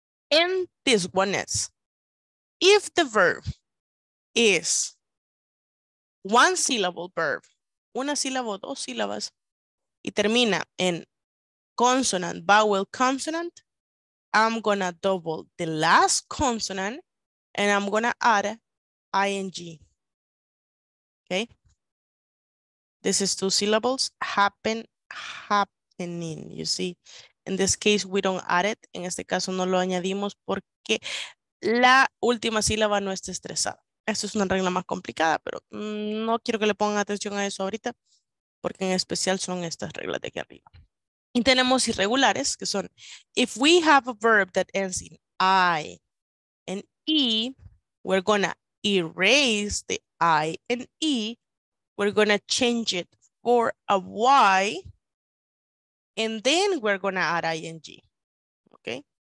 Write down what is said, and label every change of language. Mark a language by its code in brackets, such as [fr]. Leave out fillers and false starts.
[en] And this one is, if the verb is one syllable verb, [es] una sílaba o dos sílabas, y termina en [en] consonant, vowel, consonant, I'm gonna double the last consonant and I'm gonna add ing. Okay? This is two syllables, happen, happening, you see? In this case, we don't add it. [es] En este caso, no lo añadimos porque la última sílaba no está estresada. Esto es una regla más complicada, pero no quiero que le pongan atención a eso ahorita porque en especial son estas reglas de aquí arriba. Y tenemos irregulares, que son, [en] if we have a verb that ends in I and E, we're gonna erase the I and E, we're gonna change it for a Y, and then we're gonna add ing, okay?